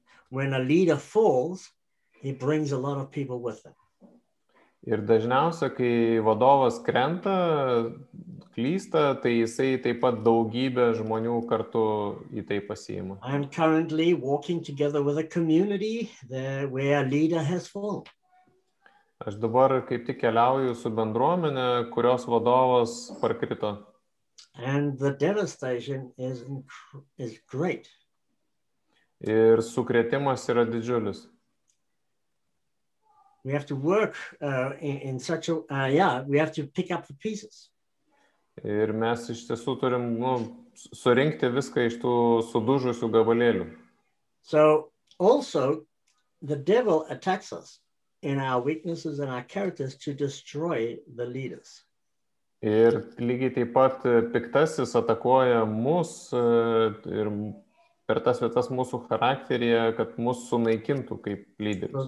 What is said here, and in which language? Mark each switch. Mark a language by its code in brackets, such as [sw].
[en] when a leader falls, he brings a lot of people with him. [lt] Ir dažniausia, kai vadovas krenta, klysta, tai jisai taip pat daugybę žmonių kartu į tai pasiima. [en] I'm currently walking together with a community where a leader has fallen. [lt] Aš dabar kaip tik keliauju su bendruomenė, kurios vadovas parkrito. [en] And the devastation is great. [lt] Ir sukrėtimas yra didžiulis. [en] We have to work in such a we have to pick up the pieces. [lt] Ir mes iš tiesų turim, nu, surinkti viską iš tų sudužusių gabalėlių. [en] So also the devil attacks us in our weaknesses and our characters to destroy the leaders. [lt] Ir lygiai taip pat piktasis atakuoja mus ir per tas vietas mūsų charakteryje, kad mus sunaikintų kaip lyderius.